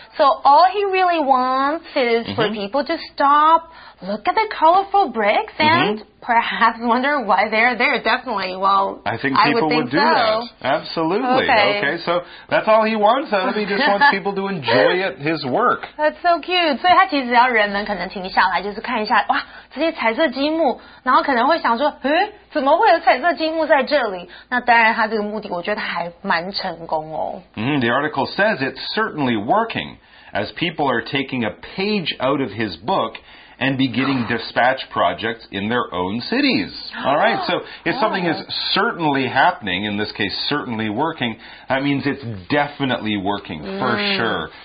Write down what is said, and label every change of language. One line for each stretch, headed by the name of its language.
English: So all he really wants is for people to stop, look at the colorful bricks, and perhaps wonder why they're there. Definitely, well, I think people would do that. Absolutely. Okay, so that's all he wants. He just wants people to enjoy it, his work. That's so cute.
Chinese: 所以他其实要人们可能停下来就是看一下哇这些彩色积木然后可能会想说诶怎么会有彩色积木在这里那当然他这个目的我觉得还蛮成功哦、
English: The article says it's certainly working as people are taking a page out of his book and beginning dispatch projects in their own cities. All right, so if something is certainly happening, in this case certainly working, that means it's definitely working for sure.